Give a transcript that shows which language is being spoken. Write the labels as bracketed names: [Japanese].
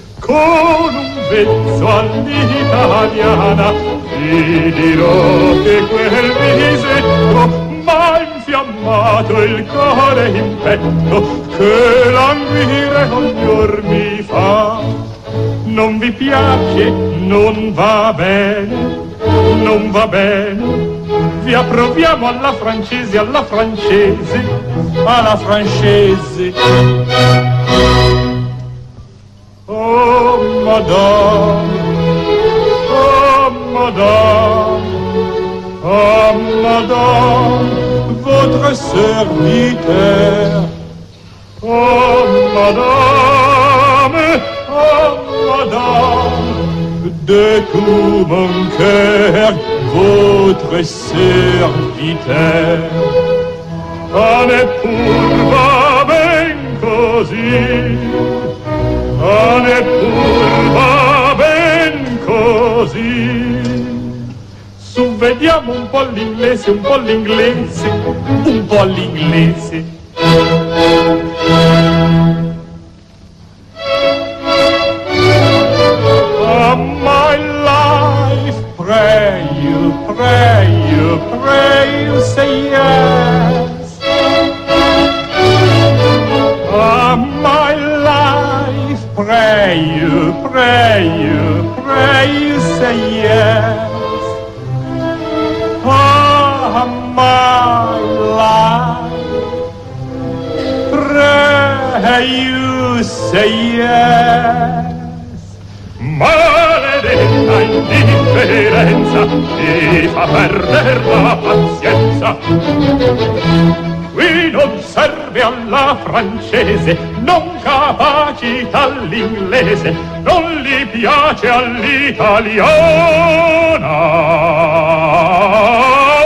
[Italian] Con un vezzo all'italiana vi dirò che quel visetto m'ha infiammato il cuore in petto, che languire ogni or mi fa. Non vi piace, non va bene, non va bene. Vi approviamo alla francese, alla francese, alla francese. [French] Oh, madame, madame, oh madame, votre serviteur. Oh madame, de tout mon cœur, votre serviteur. On est pour va bien così, on est pour va bien così. [Italian] Su, vediamo un po' l'inglese, un po' l'inglese, un po' l'inglese. [English] My life, pray you, pray you, pray you say yes. My life, pray you, pray you, pray you say yes. Ah, my life, pray you say yes. [Italian] Maledetta indifferenza, mi fa perder la pazienza. Qui non serve alla francese, non capacita l'inglese, non gli piace all'italiana.